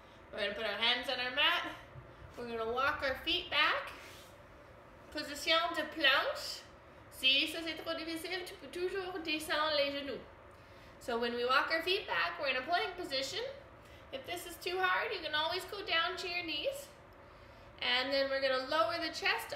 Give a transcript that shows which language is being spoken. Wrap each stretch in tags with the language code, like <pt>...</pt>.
<en>We're going to put our hands on our mat. We're going to walk our feet back.</en> <fr>Position de planche. Si ça c'est trop difficile, tu peux toujours descendre les genoux.</fr> <en>So when we walk our feet back, we're in a plank position. If this is too hard, you can always go down to your knees. And then we're going to lower the chest.</en>